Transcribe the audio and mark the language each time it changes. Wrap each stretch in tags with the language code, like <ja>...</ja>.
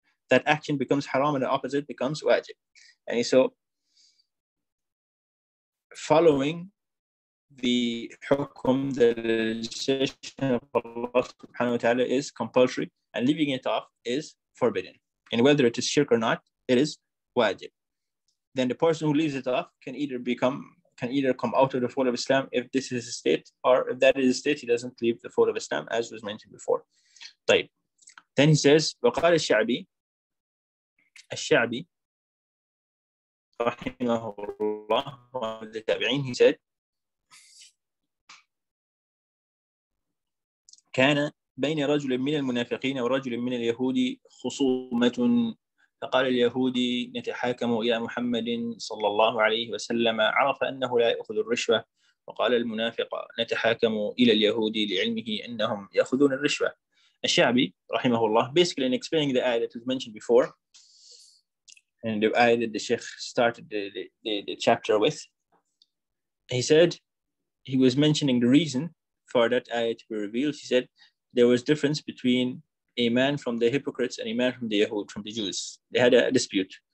<en>that action becomes haram and the opposite becomes wajib. And so following the hukum, the decision of Allah subhanahu wa ta'ala is compulsory, and leaving it off is forbidden. And whether it is shirk or not, it is wajib. Then the person who leaves it off can either come out of the fold of Islam if this is a state, or if that is a state, he doesn't leave the fold of Islam, as was mentioned before.</en> <ar>طيب.</ar> <en>Then he says,</en> <ar>وقال الشعبي الشعبي رحمه الله والتابعين, he said, كان بين رجل من المنافقين ورجل من اليهود خصومة, فقال اليهودي نتحاكم إلى محمد صلى الله عليه وسلم عرف أنه لا يأخذ الرشوة, وقال المنافق نتحاكم إلى اليهودي لعلمه أنهم يأخذون الرشوة.</ar> <en>الشعبي رحمه الله, basically in explaining the ayah that was mentioned before, and the ayah that the sheikh started the chapter with, he said, he was mentioning the reason for that ayah to be revealed. He said, there was difference between a man from the hypocrites and a man from the Yahud, from the Jews. They had a dispute.</en>